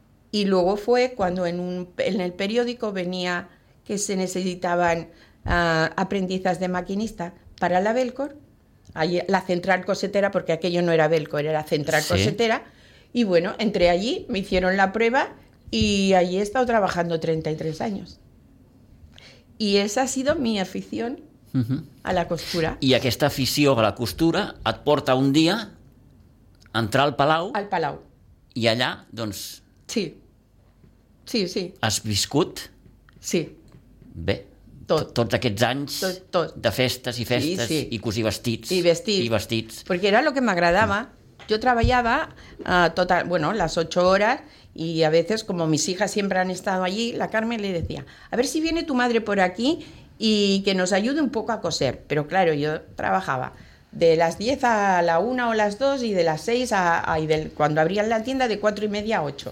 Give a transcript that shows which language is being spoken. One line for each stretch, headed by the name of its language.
Spanish: Y luego fue cuando en el periódico venía que se necesitaban aprendizas de maquinista para la Velcor, allí, la central cosetera, porque aquello no era Velcor, era central cosetera, y bueno, entré allí, me hicieron la prueba y allí he estado trabajando 33 años. Y esa ha sido mi afición a la costura.
Catalan: I aquesta afició a la costura et porta un dia a entrar al Palau. Al Palau. I allà, doncs... Sí. Sí, sí. Has viscut... Sí. Bé. Tot. Tots aquests anys tot. De festes i festes sí, sí. I cosir vestits. I vestits. I vestits. Perquè era el que m'agradava.
Spanish: Yo trabajaba total, bueno, las 8 horas, y a veces, como mis hijas siempre han estado allí, la Carmen le decía, a ver si viene tu madre por aquí y que nos ayude un poco a coser. Pero claro, yo trabajaba de las 10 a la 1 o las 2 y de las 6 cuando abrían la tienda, de 4 y media a 8.